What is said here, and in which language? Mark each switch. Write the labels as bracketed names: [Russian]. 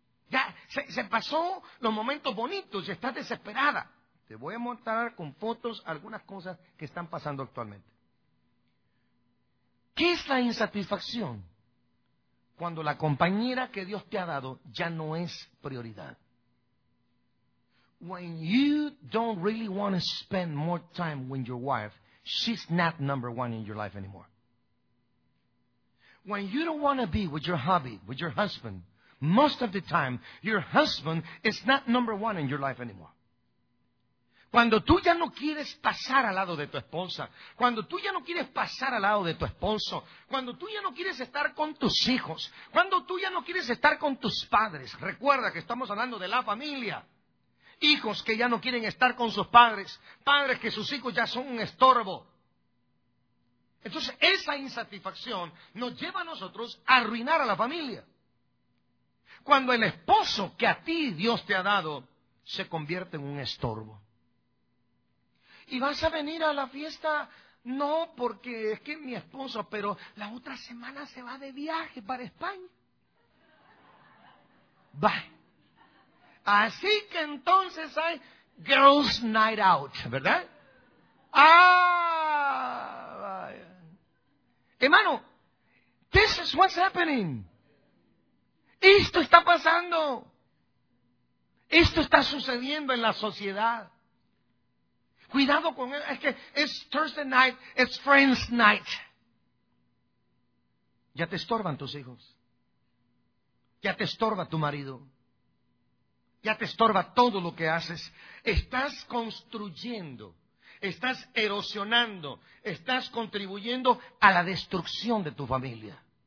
[Spanish] Ya se pasó los momentos bonitos y estás desesperada. Te voy a mostrar con fotos algunas cosas que están pasando actualmente. ¿Qué es la insatisfacción? Cuando la compañera que Dios te ha dado ya no es prioridad. [English] When you don't really want to spend more time with your wife, she's not number one in your life anymore. When you don't want to be with your hubby, with your husband, most of the time, your husband is not number one in your life anymore. [Spanish] Cuando tú ya no quieres pasar al lado de tu esposa, cuando tú ya no quieres pasar al lado de tu esposo, cuando tú ya no quieres estar con tus hijos, cuando tú ya no quieres estar con tus padres, recuerda que estamos hablando de la familia. Hijos que ya no quieren estar con sus padres, padres que sus hijos ya son un estorbo. Entonces, esa insatisfacción nos lleva a nosotros a arruinar a la familia. Cuando el esposo que a ti Dios te ha dado se convierte en un estorbo. Y vas a venir a la fiesta, no porque es que es mi esposo, pero la otra semana se va de viaje para España. Va. Así que entonces hay [English] girls night out, [Spanish] ¿verdad? Ah, vaya. [English] Hermano, this is what's happening. [Spanish] Esto está pasando. Esto está sucediendo en la sociedad. Cuidado con eso. Es que es [English] Thursday night, it's friends night. [Spanish] Ya te estorban tus hijos. Ya te estorba tu marido. Ya te estorba todo lo que haces. Estás construyendo, estás erosionando, estás contribuyendo a la destrucción de tu familia.